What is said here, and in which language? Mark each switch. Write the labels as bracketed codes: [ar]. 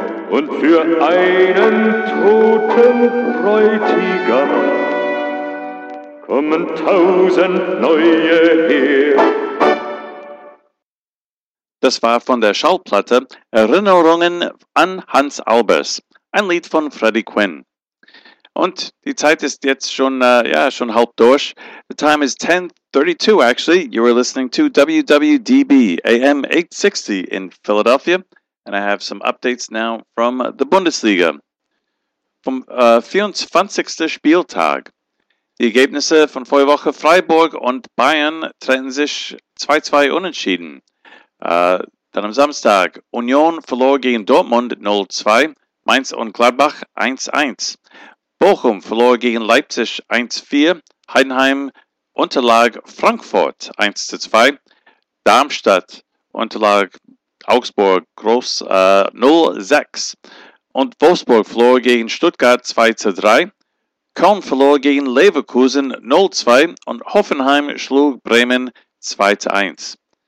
[de] Und für einen toten Bräutigam kommen tausend neue her. Das war von der Schallplatte Erinnerungen an Hans Albers, ein Lied von Freddie Quinn. Und die Zeit ist jetzt schon halb durch. [en] The time is 10:32 actually. You are listening to WWDB AM 860 in Philadelphia. And I have some updates now from the Bundesliga. [de] Vom 24. Spieltag. Die Ergebnisse von vor Woche: Freiburg und Bayern trennten sich 2-2 unentschieden. Dann am Samstag, Union verlor gegen Dortmund 0-2, Mainz und Gladbach 1-1. Bochum verlor gegen Leipzig 1-4, Heidenheim unterlag Frankfurt 1-2, Darmstadt unterlag Augsburg 0-6 und Wolfsburg verlor gegen Stuttgart 2-3, Köln verlor gegen Leverkusen 0-2 und Hoffenheim schlug Bremen 2-1.